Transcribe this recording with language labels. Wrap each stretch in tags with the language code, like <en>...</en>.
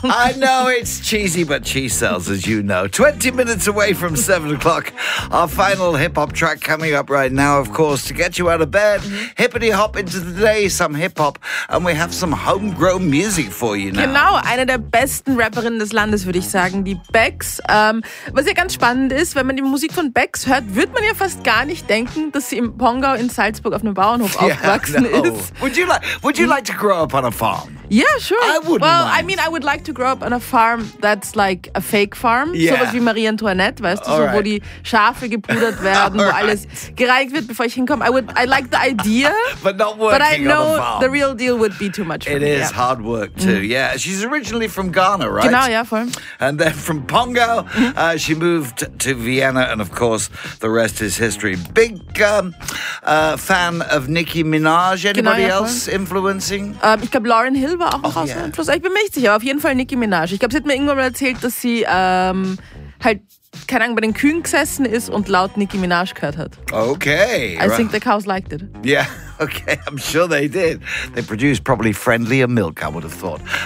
<en>I know, it's cheesy, but cheese sells, as you know. 20 minutes away from 7 o'clock. Our final hip-hop track coming up right now, of course, to get you out of bed. Hippity-hop into the day, some hip-hop. And we have some homegrown music for you now.</en> <de>Genau, eine der besten Rapperinnen des Landes, würde ich sagen, die Bex. Was ja ganz spannend ist, wenn man die Musik von Bex hört, wird man ja fast gar nicht denken, dass sie im Pongau in Salzburg auf einem Bauernhof aufgewachsen ist.</de> <en>Would you like to grow up on a farm? Yeah, sure. I wouldn't Well, mind. I mean, I would like to grow up on a farm that's like a fake farm. Yeah.</en> <de>Sowas wie Marie Antoinette, weißt du, so, wo die Schafe gepudert werden, wo alles gereinigt wird, bevor ich hinkomme.</de> <en>I like the idea. But not working on a farm. But I know the real deal would be too much for it me. It is hard work, too. Mm. Yeah, she's originally from Ghana, right?</en> <de>Genau, ja, voll.</de> <en>And then from Pongo, she moved to Vienna, and of course, the rest is history. Big fan of Nicki Minaj. Anybody else influencing?</en> <de>Ich glaube, Lauryn Hill war auch noch aus Einfluss. Ich bin mir nicht sicher, aber auf jeden Fall Nicki Minaj. Ich glaube, sie hat mir irgendwann mal erzählt, dass sie halt, keine Ahnung, bei den Kühen gesessen ist und laut Nicki Minaj gehört hat. Okay.</de> <en>I think the cows liked it. Yeah, okay, I'm sure they did. They produced probably friendlier milk, I would have thought.</en>